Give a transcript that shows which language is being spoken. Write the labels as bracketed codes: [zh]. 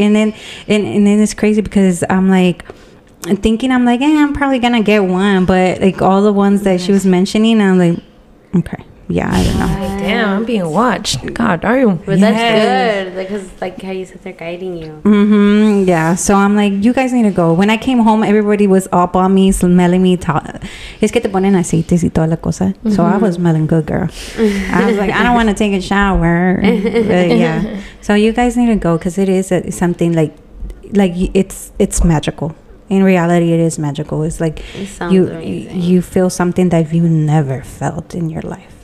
[en] And then it's crazy because I'm like, thinking, I'm like, I'm probably gonna get one, but like all the ones that she was mentioning, I'm like, okay, yeah, I don't know. Damn, I'm being watched. God, are you? But that's good, because like how you said, they're guiding you. Mm-hmm. Yeah. So I'm like, you guys need to go. When I came home, everybody was up on me, smelling me. [es] Es que te ponen aceites y toda la cosa. [en] So I was smelling good, girl. I was like, I don't want to take a shower. But yeah. So you guys need to go, because it is something like it's magical. In reality, it is magical. It's like you feel something that you never felt in your life.